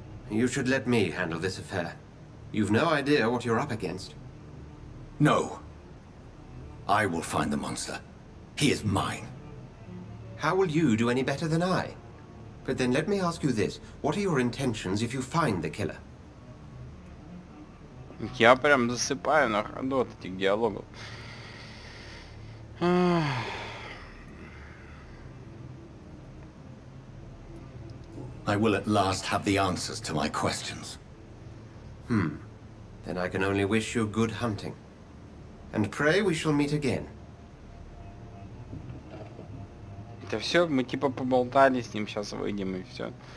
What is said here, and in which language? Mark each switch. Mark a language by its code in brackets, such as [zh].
[en] You should let me handle this affair. You've no idea what you're up against. No. I will find the monster. He is mine. How will you do any better than I? But then let me ask you this. What are your intentions if you find the killer? [ru] Я прям засыпаю на ходу от этих диалогов. [en] I will at last have the answers to my questions. Then I can only wish you good hunting. And pray we shall meet again. [ru] Это все, мы типа поболтали с ним, сейчас выйдем и все.